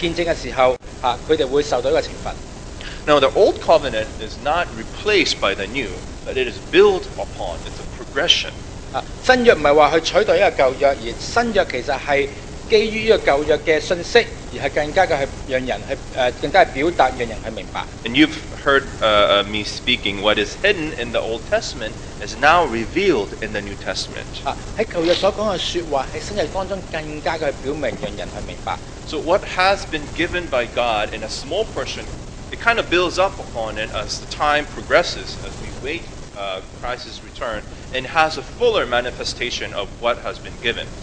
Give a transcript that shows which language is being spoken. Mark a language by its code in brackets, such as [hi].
[zh] 在摩西律法当中所讲的话，这律法不能够帮助当时以色列人去得到一个拯救。他讲的就话，若然有人去犯罪，有两三个人去见证的时候，他们会受到一个惩罚。 [en] Now, the Old Covenant is not replaced by the New, but it is built upon. It's a progression. [zh] 新約不是說去取代一個舊約，而新約其實是基於一個舊約的信息，而是更加的讓人去，更加表達，讓人去明白。 [en] And you've heard me speaking, what is hidden in the Old Testament is now revealed in the New Testament. [zh] 在舊約所說的說話，在新約當中更加的表明，讓人去明白。 [en] So what has been given by God in a small portion, it kind of builds up upon it as the time progresses, as we wait Christ's return, and has a fuller manifestation of what has been given.